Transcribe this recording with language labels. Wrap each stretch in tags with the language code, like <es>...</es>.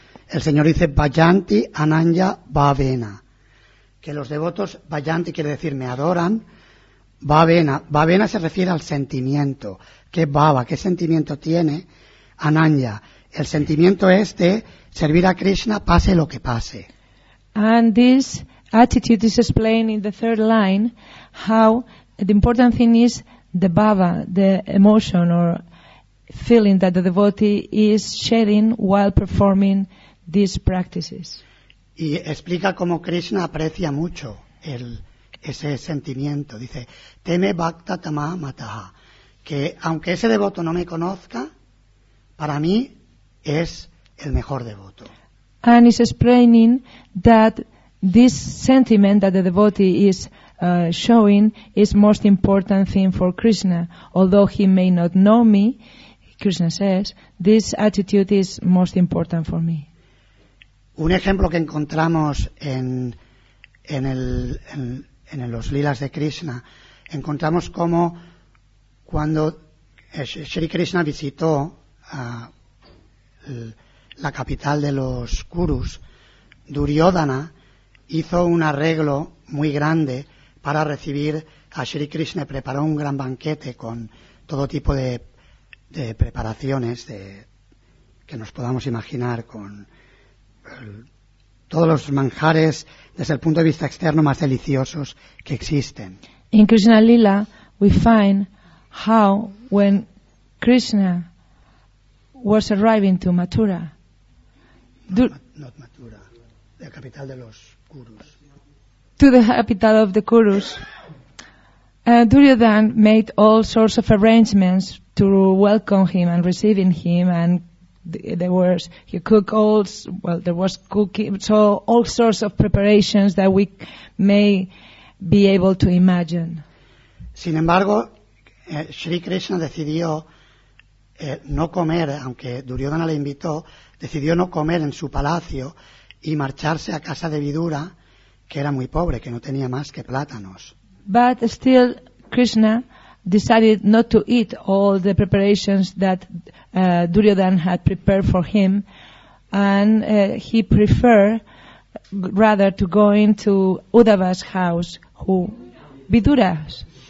<es>El Señor dice,</es> <sa>Vayanti Ananya Bhavena.</sa> <es>Que los devotos, Vayanti quiere decir me adoran, Bhavena. Bhavena se refiere al sentimiento. ¿Qué bhava, qué sentimiento tiene Ananya? El sentimiento es de servir a Krishna pase lo que pase.</es> <en>And this attitude is explained in the third line, how the important thing is the bhava, the emotion or feeling that the devotee is sharing while performing these practices.</en> <es>Y explica cómo Krishna aprecia mucho ese sentimiento. Dice,</es> <sa>teme bhakta tama mataha,</sa> <es>que aunque ese devoto no me conozca, para mí es el mejor devoto.</es> <en>And is explaining that this sentiment that the devotee is showing is most important thing for Krishna. Although he may not know me, Krishna says, this attitude is most important for me.</en> <es>Un ejemplo que encontramos en los lilas de Krishna, encontramos cómo cuando Sri Krishna visitó la capital de los Kurus, Duryodhana hizo un arreglo muy grande para recibir a Sri Krishna, preparó un gran banquete con todo tipo de preparaciones que nos podamos imaginar, con todos los manjares desde el punto de vista externo más deliciosos que existen.</es> <en>In Krishna Lila we find how when Krishna was arriving to Mathura. Not Mathura, the capital</en> <es>de los</es> <en>Kurus. To the capital of the Kurus. Duryodhana made all sorts of arrangements to welcome him and receiving him, and there was cooking, all sorts of preparations that we may be able to imagine.</en> <es>Sin embargo, Sri Krishna decidió no comer, aunque Duryodhana le invitó, decidió no comer en su palacio y marcharse a casa de Vidura, que era muy pobre, que no tenía más que plátanos.</es> <en>But still, Krishna decided not to eat all the preparations that Duryodhana had prepared for him, and he preferred rather to go into Uddhava's house, who Vidura's.</en>